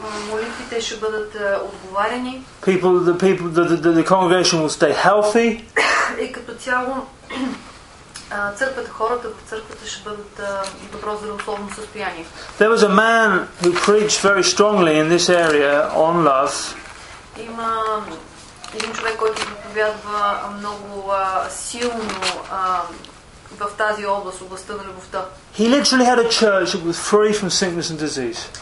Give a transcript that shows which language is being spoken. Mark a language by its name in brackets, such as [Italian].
[Bulgarian] Молитвите ще бъдат отговаряни. [English] The congregation will stay healthy. [Bulgarian] И като цяло църквата, хората в църквата ще бъдат в добро здравословно състояние. [English] There was a man who preached very strongly in this area on love. [Bulgarian] Има един човек, който проповядва много силно в тази област, областта на любовта. [English] He literally had a church that was free from sickness and disease.